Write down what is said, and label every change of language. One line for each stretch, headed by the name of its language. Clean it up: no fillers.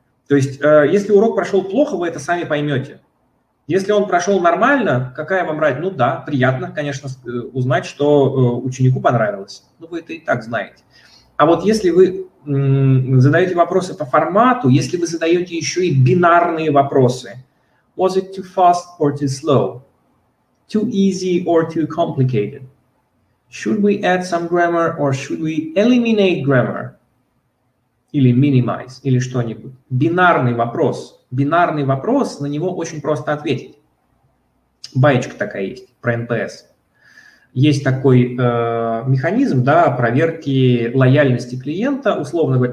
Russian: То есть, если урок прошел плохо, вы это сами поймете. Если он прошел нормально, какая вам разница? Ну да, приятно, конечно, узнать, что ученику понравилось. Ну вы это и так знаете. А вот если вы задаете вопросы по формату, если вы задаете еще и бинарные вопросы,
English: was it too fast or too slow? Too easy or too complicated? Should we add some grammar or should we eliminate grammar?
Russian: Или minimize, или что-нибудь. Бинарный вопрос. Бинарный вопрос, на него очень просто ответить. Баечка такая есть про НПС. Есть такой механизм, да, проверки лояльности клиента, условно говоря.